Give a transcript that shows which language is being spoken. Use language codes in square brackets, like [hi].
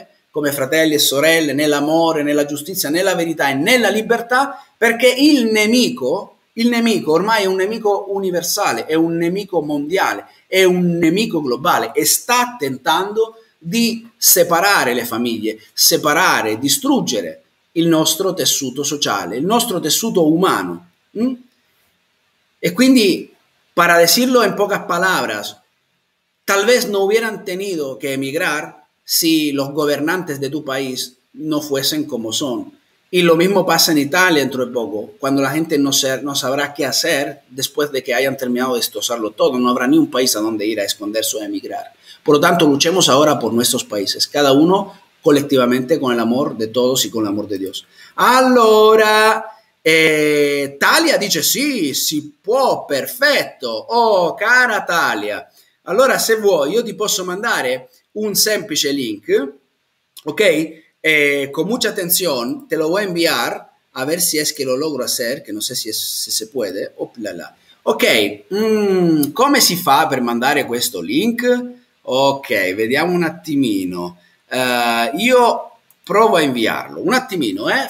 [it] come fratelli e sorelle nell'amore, nella giustizia, nella verità e nella libertà, perché il nemico ormai è un nemico universale, è un nemico mondiale, è un nemico globale e sta tentando di separare le famiglie, separare, distruggere il nostro tessuto sociale, il nostro tessuto umano. E quindi, [es] para decirlo en pocas palabras, tal vez no hubieran tenido que emigrar si los gobernantes de tu país no fuesen como son. Y lo mismo pasa en Italia dentro de poco, cuando la gente no sabrá qué hacer después de que hayan terminado de destrozarlo todo, no habrá ni un país a donde ir a esconderse o a emigrar. Por lo tanto, luchemos ahora por nuestros países, cada uno colectivamente con el amor de todos y con el amor de Dios. Allora, [it] E Talia dice: sì, si può, perfetto. Oh, cara Talia, allora se vuoi, io ti posso mandare un semplice link, ok? [es] Con mucha atención, te lo voy a enviar a ver si es que lo logro hacer, que no sé si se puede. Oh, là là. [it] Ok, come si fa per mandare questo link? Ok, vediamo un attimino. Io provo a inviarlo, un attimino, eh?